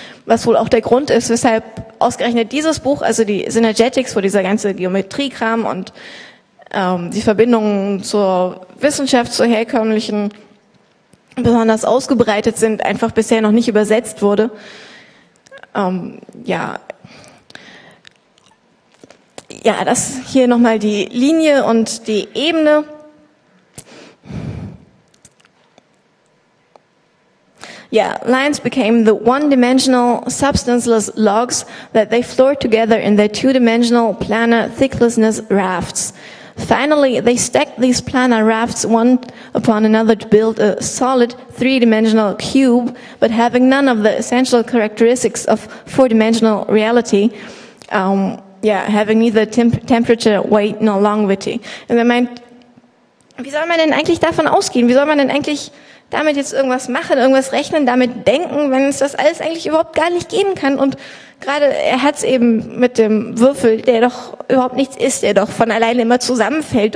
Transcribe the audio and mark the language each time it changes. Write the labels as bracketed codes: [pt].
[de] Was wohl auch der Grund ist, weshalb ausgerechnet dieses Buch, also die Synergetics, wo dieser ganze Geometriekram und die Verbindungen zur Wissenschaft, zur herkömmlichen, besonders ausgebreitet sind, einfach bisher noch nicht übersetzt wurde. Das hier nochmal die Linie und die Ebene. [en] Yeah, lines became the one-dimensional, substanceless logs that they floored together in their two-dimensional planar thicklessness rafts. Finally, they stacked these planar rafts one upon another to build a solid three-dimensional cube, but having none of the essential characteristics of four-dimensional reality, having neither temperature, weight, nor longevity. [de] Und er meint, wie soll man denn eigentlich davon ausgehen? Wie soll man denn eigentlich damit jetzt irgendwas machen, irgendwas rechnen, damit denken, wenn es das alles eigentlich überhaupt gar nicht geben kann? Und gerade er hat es eben mit dem Würfel, der doch überhaupt nichts ist, der doch von alleine immer zusammenfällt.